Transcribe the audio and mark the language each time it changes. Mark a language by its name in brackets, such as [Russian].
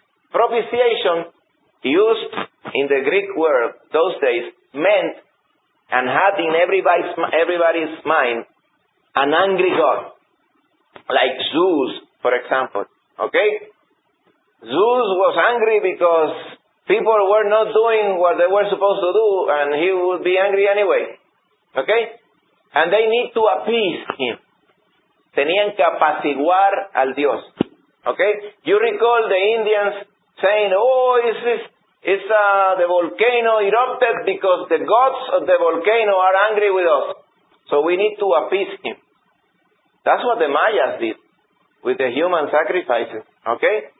[English] Propitiation, used in the Greek world those days, meant and had in everybody's mind an angry God, like Zeus, for example. Okay? Zeus was angry because people were not doing what they were supposed to do, and he would be angry anyway. Okay? And they need to appease him. [Spanish] Tenían que apaciguar al Dios. [English] Okay? You recall the Indians saying, oh, this is the volcano erupted because the gods of the volcano are angry with us. So we need to appease him. That's what the Mayas did with the human sacrifices. Okay?